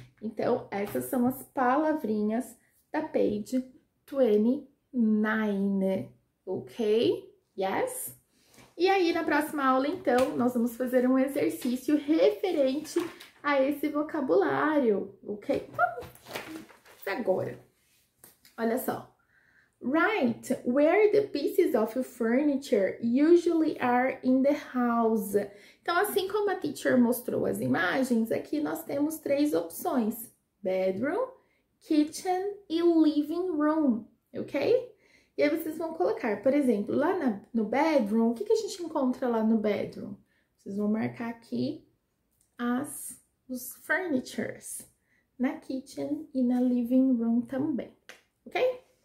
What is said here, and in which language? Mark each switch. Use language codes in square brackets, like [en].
[pt] Então, essas são as palavrinhas da page 29, ok? Yes? E aí, na próxima aula, então, nós vamos fazer um exercício referente a esse vocabulário, ok? Vamos agora. Olha só. [en] Right, where the pieces of furniture usually are in the house. [pt] Então, assim como a teacher mostrou as imagens, aqui nós temos três opções. Bedroom, kitchen e living room, ok? E aí vocês vão colocar, por exemplo, lá no bedroom, o que a gente encontra lá no bedroom? Vocês vão marcar aqui os furnitures, na kitchen e na living room também, ok?